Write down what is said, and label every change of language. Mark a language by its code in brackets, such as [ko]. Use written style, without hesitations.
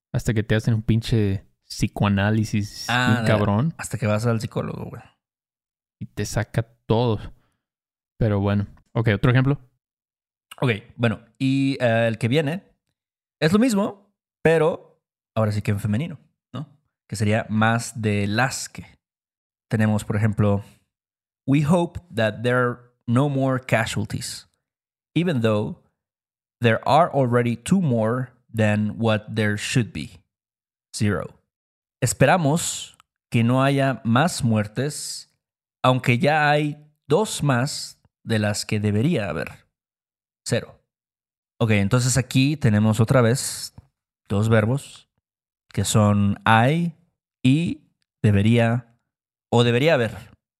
[es] Hasta que te hacen un pinche psicoanálisis, cabrón. Hasta que vas al psicólogo, güey. Y te saca todo. Pero bueno. Ok, ¿otro ejemplo? Ok, bueno. Y el que viene es lo mismo, pero ahora sí que en femenino, ¿no? Que sería más de las que. Tenemos, por ejemplo, [en] we hope that there are no more casualties. Even though there are already two more than what there should be. Zero. [es] Esperamos que no haya más muertes, aunque ya hay dos más de las que debería haber. Cero. Ok, entonces aquí tenemos otra vez dos verbos que son hay y debería o debería haber.